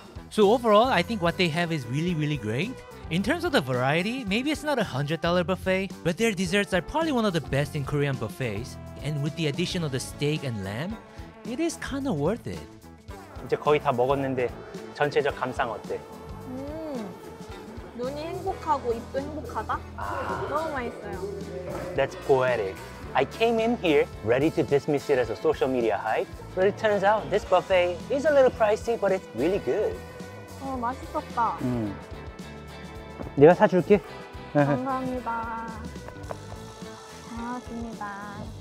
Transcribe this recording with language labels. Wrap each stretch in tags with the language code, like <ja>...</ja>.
<en>So overall, I think what they have is really, really great. In terms of the variety, maybe it's not a $100 buffet, but their desserts are probably one of the best in Korean buffets. And with the addition of the steak and lamb, it is kind of worth it.</en> <ko>이제 거의 다 먹었는데 전체적 감상 어때? 눈이 행복하고 입도 행복하다? 너무 맛있어요.</ko> <en>That's poetic. I came in here ready to dismiss it as a social media hype, but it turns out this buffet is a little pricey, but it's really good.</en> <ko>어, 맛있었다. 내가 사줄게. 감사합니다. 고맙습니다.</ko>